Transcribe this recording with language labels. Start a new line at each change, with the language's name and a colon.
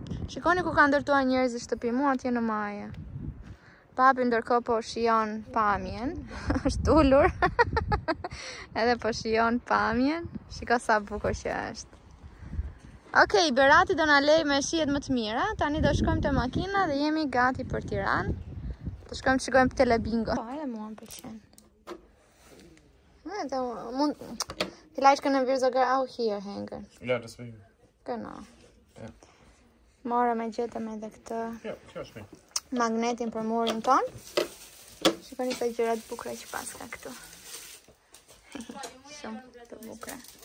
Albanian: Shikoni ku kanë ndërtuar njerëzit shtëpi mua atje në Maje. Papi ndërkohë po shijon pamjen, është ulur. Edhe po shijon pamjen. Shiko sa bukur që është. Okej, okay, Berati do na lej me shijet më të mira. Tani do shkojmë te makina dhe jemi gati për Tiranë. Do shkojmë të shikojmë te Telebingo. Po, edhe mua më pëlqen. Ne do mund
German: Vielleicht können wir sogar auch hier hängen. Ja, das wäre. Genau. Ja.
Albanian: Morëm e gjetëm edhe këtë. Jo, kjo është mirë. Magnetin për murin ton. Shikoni sa gjëra të bukura që pas ka këtu. Shumë të bukura.